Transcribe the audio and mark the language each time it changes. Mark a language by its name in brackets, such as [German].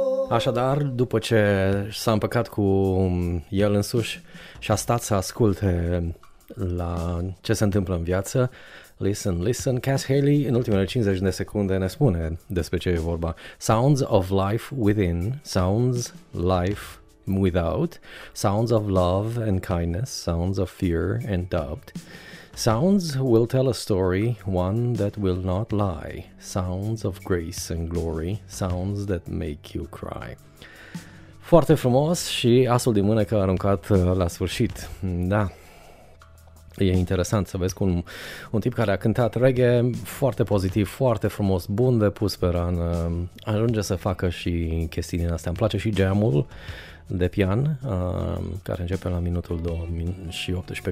[Romanian] Așadar, după ce s-a împăcat cu el însuși și a stat să asculte la ce se întâmplă în viață, [English] listen, listen, [Romanian] Cass Haley în ultimele 50 de secunde ne spune despre ce e vorba. [English] Sounds of life within, sounds life without, sounds of love and kindness, sounds of fear and doubt. Sounds will tell a story, one that will not lie. Sounds of grace and glory, sounds that make you cry. [Romanian] Foarte frumos și asul din mână că a aruncat la sfârșit. Da, e interesant să vezi cum un tip care a cântat reggae foarte pozitiv, foarte frumos, bun de pus pe rană, ajunge să facă și chestii din astea. Îmi place și jam-ul de pian, care începe la minutul 2:18.